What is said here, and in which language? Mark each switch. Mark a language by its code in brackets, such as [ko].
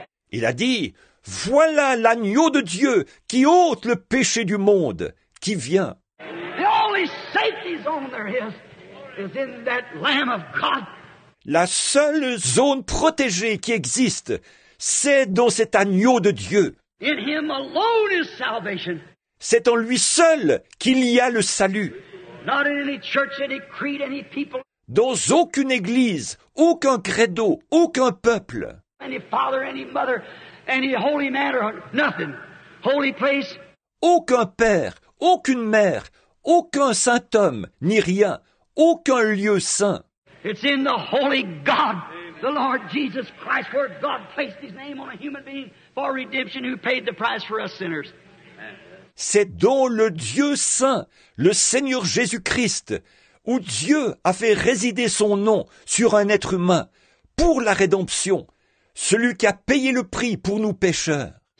[fr] Il a dit, voilà l'agneau de Dieu qui ôte le péché du monde. Qui vient. [en] The only safety zone there is in that Lamb of God. [fr] La seule zone protégée qui existe, c'est dans cet agneau de Dieu. [en] In him alone is salvation. [fr] C'est en lui seul qu'il y a le salut. [en] Not in any church, any creed, any people. [fr] Dans aucune église, aucun credo, aucun peuple. [en] Any father, any mother, any holy man, or nothing. holy place. [fr] Aucun père, aucune mère, aucun saint homme, ni rien, aucun lieu saint. [en] It's in the holy God, the Lord Jesus Christ, where God placed his name on a human being for redemption, who paid the price for us sinners. [fr] C'est dans le Dieu saint, le Seigneur Jésus-Christ, où Dieu a fait résider son nom sur un être humain pour la rédemption, celui qui a payé le prix pour nous pécheurs.